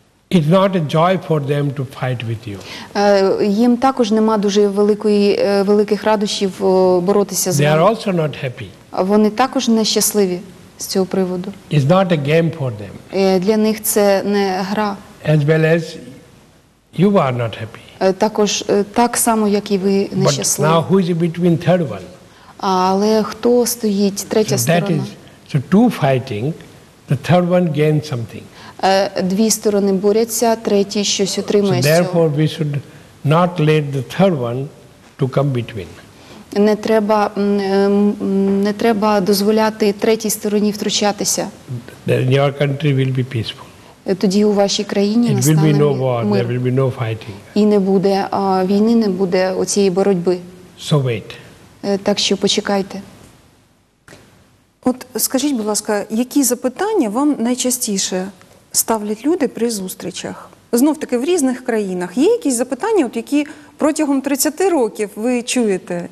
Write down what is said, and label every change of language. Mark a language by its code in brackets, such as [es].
[en] It's not a joy for them to fight with you. [uk] Їм також нема дуже великих радощів боротися з вами. [en] They are also not happy. [uk] Вони також не щасливі з цього приводу. [en] It's not a game for them. [uk] Для них це не гра. [en] As well as you are not happy. [uk] Також так само, як і ви не щасливі. [en] But now who is between third one? [uk] Але хто стоїть третя [en] so [uk] сторона? [en] Is, so two fighting, the third one gains something. [uk] Дві сторони борються, третій щось отримує. [en] So therefore we should not let the third one to come between. [uk] Не треба дозволяти третій стороні втручатися. [en] Then your country will be peaceful. [uk] Тоді у вашій країні [en] it will be no war, there will be no fighting. [uk] І не буде війни, не буде оцієї боротьби. [en] So wait. [uk] Так що почекайте. От скажіть, будь ласка, які запитання вам найчастіше ставлять люди при зустрічах? Знов таки, в різних країнах. Є якісь запитання, от які протягом 30 років ви чуєте?